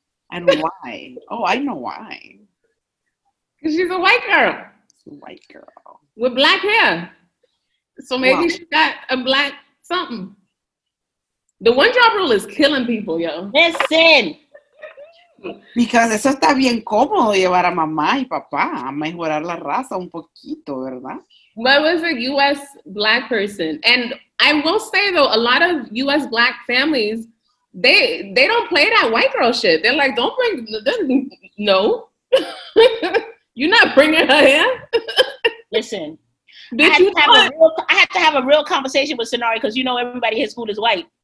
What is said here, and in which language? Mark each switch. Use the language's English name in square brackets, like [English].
[English] And why? Oh, I know why. Because she's a white girl. With black hair. So maybe she got a black something. The one drop rule is killing people, yo. Listen. Because [Spanish] eso está bien cómodo llevar a mamá y papá a mejorar la raza un poquito, ¿verdad? [English] What was a U.S. black person? And I will say, though, a lot of U.S. black families, they don't play that white girl shit. They're like, don't bring... No. You're not bringing her here. Listen. I had to have a real conversation with Sonari because you know everybody in his school is white.